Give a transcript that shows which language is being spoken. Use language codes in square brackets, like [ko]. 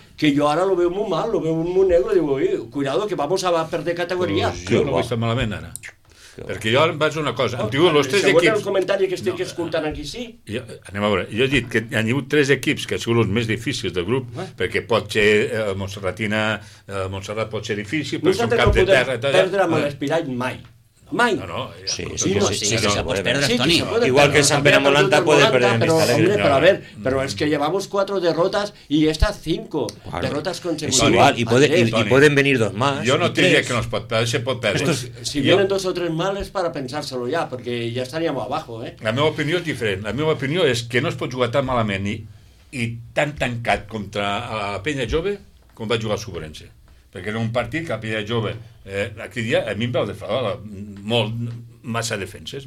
[ca] Que jo ara [es] lo veo molt mal, lo veo molt negro, digo, oi, cuidado que vamos a perder categoria. [ca] Jo no vull estar malament ara. Perquè jo em vaig una cosa, han tingut els tres equips... Segons el comentari que estic escoltant aquí, sí? Anem a veure, jo he dit que han tingut tres equips que han sigut els més difícils del grup, perquè pot ser Montserratina, Montserrat pot ser difícil, però és un camp de terra... Nosaltres no podem perdre amb l'Espirall mai. Mai. No, no, sí, se pot perdre, Toni. [es] Igual que Sant Pere Molanta puede perder en Vistalegre. [ca] Però [es] a ver, [ca] però és que [es] llevamos cuatro derrotas y estas cinco derrotas consecutivas. [ca] És igual, [es] y pueden venir dos más. Yo no diría que nos [ca] pot perder, se pot perder. [es] Si vienen dos o tres males para pensárselo ya, porque ya estaríamos abajo, ¿eh? [ca] La meva opinió és diferent. La meva opinió és que no es pot jugar tan malament i tan tancat contra la penya jove com va jugar el Subvenció. Perquè era un partit que la penya jove... aquell dia a mi em veu de fer molt, massa defenses.